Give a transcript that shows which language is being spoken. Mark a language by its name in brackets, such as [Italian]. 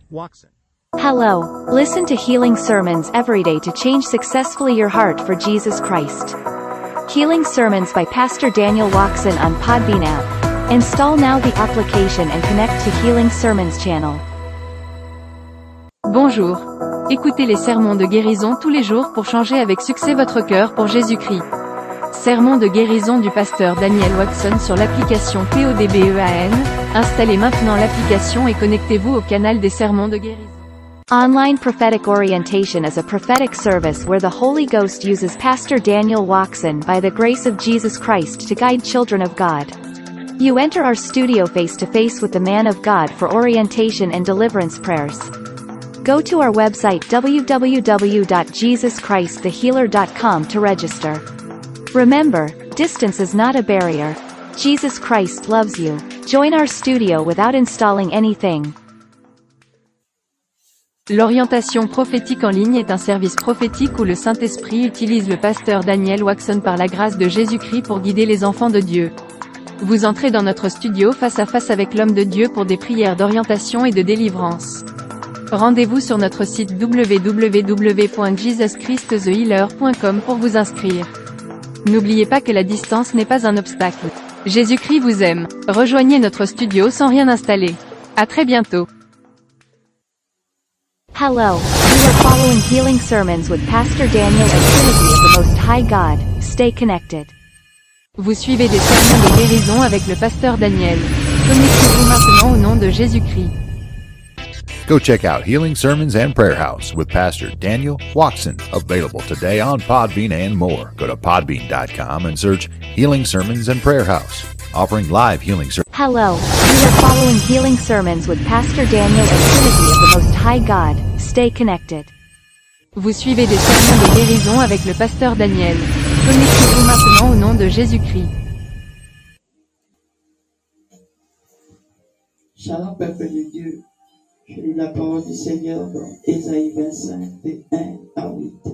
[English] Watson. Hello. Listen to Healing Sermons every day to change successfully your heart for Jesus Christ. Healing Sermons by Pastor Daniel Watson on Podbean app. Install now the application and connect to Healing Sermons channel. [French] Bonjour. Écoutez les sermons de guérison tous les jours pour changer avec succès votre cœur pour Jésus-Christ. Sermon de guérison du pasteur Daniel Watson sur l'application PODBEAN. Installez maintenant l'application et connectez-vous au canal des sermons de guérison. [English] Online prophetic orientation is a prophetic service where the Holy Ghost uses Pastor Daniel Watson by the grace of Jesus Christ to guide children of God. You enter our studio face to face with the man of God for orientation and deliverance prayers. Go to our website www.jesuschristthehealer.com to register. Remember, distance is not a barrier. Jesus Christ loves you. Join our studio without installing anything. [French] L'orientation prophétique en ligne est un service prophétique où le Saint-Esprit utilise le pasteur Daniel Watson par la grâce de Jésus-Christ pour guider les enfants de Dieu. Vous entrez dans notre studio face à face avec l'homme de Dieu pour des prières d'orientation et de délivrance. Rendez-vous sur notre site www.jesuschristthehealer.com pour vous inscrire. N'oubliez pas que la distance n'est pas un obstacle. Jésus-Christ vous aime. Rejoignez notre studio sans rien installer. À très bientôt. [English] Hello. You are following Healing Sermons with Pastor Daniel and Trinity of the Most High God. Stay connected. [French] Vous suivez des sermons de guérison avec le pasteur Daniel. Connectez-vous maintenant au nom de Jésus-Christ. [English] Go check out Healing Sermons and Prayer House with Pastor Daniel Watson. Available today on Podbean and more. Go to podbean.com and search Healing Sermons and Prayer House. Offering live healing sermons. Hello, we are following Healing Sermons with Pastor Daniel at Trinity of the Most High God. Stay connected. [French] Vous suivez des sermons de guérison avec le pasteur Daniel. Connectez-vous maintenant au nom de Jésus-Christ. Shalom, peuple de Dieu. Je lis la parole du Seigneur dans Ésaïe 25, de 1 à 8.